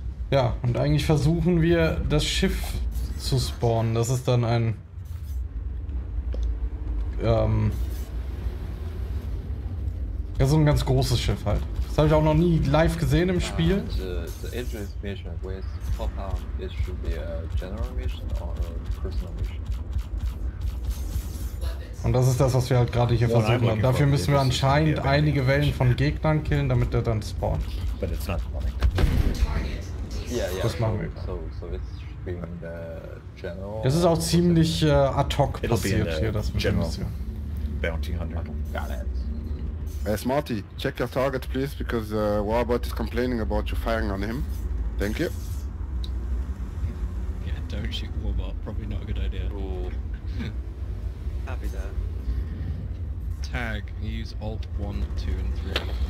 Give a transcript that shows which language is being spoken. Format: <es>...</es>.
<de>Ja, und eigentlich versuchen wir, das Schiff zu spawnen. Das ist dann ein... Ja, so ein ganz großes Schiff halt. Das habe ich auch noch nie live gesehen im Spiel.</de> <en>The entrance mission with pop arm, it should be a general mission or a personal mission.</en> <de>Und das ist das, was wir halt gerade hier versuchen. Well, dafür müssen wir anscheinend einige Wellen von Gegnern killen, damit er dann spawnt.</de> <en>But it's not spawning. Yeah,</en> <de>das machen wir.</de> <en>So it's being the general.</en> <de>Das ist auch ziemlich ad hoc passiert hier, das mit</de> <en>General Mission. Bounty Hunter. Smarty, check your target, please, because Warbot is complaining about you firing on him. Thank you. Yeah, don't shoot Warbot. Probably not a good idea. Ooh. Happy there. Tag, use Alt 1, 2, and 3.</en>